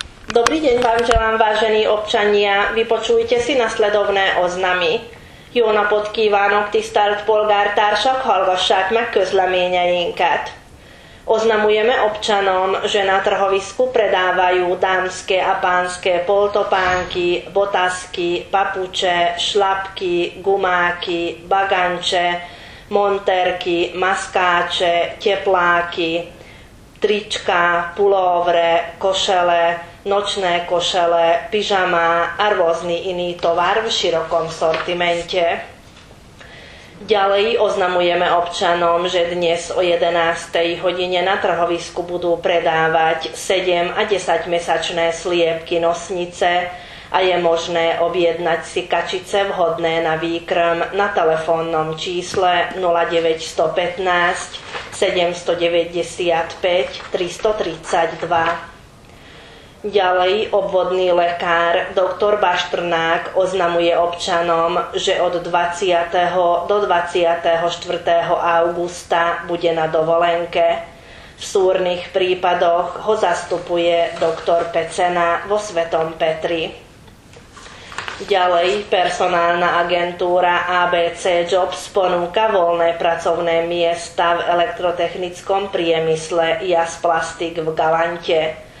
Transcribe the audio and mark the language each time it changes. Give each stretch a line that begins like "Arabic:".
Slovak: Dobrý deň vám želám, vážení občania. Vypočujte si nasledovné oznamy.
Hungarian: Jó napot kívánok, tisztelt polgártársak, hallgassák meg közleményeinket.
Slovak: Oznamujeme občanom, že na trhovisku predávajú dámske a pánske poltopánky, botasky, papuče, šlapky, gumáky, baganče, monterky, maskáče, tepláky, trička, pulóvre, košele, nočné košele, pyžama a rôzny iný tovar v širokom sortimente. Ďalej oznamujeme občanom, že dnes o 11. hodine na trhovisku budú predávať 7 a 10 mesačné sliepky nosnice a je možné objednať si kačice vhodné na výkrm na telefónnom čísle 09115 795 332. Ďalej obvodný lekár dr. Baštrnák oznamuje občanom, že od 20. do 24. augusta bude na dovolenke. V súrnych prípadoch ho zastupuje dr. Pecena vo Svetom Petri. Ďalej personálna agentúra ABC Jobs ponúka voľné pracovné miesta v elektrotechnickom priemysle JAS Plastik v Galante.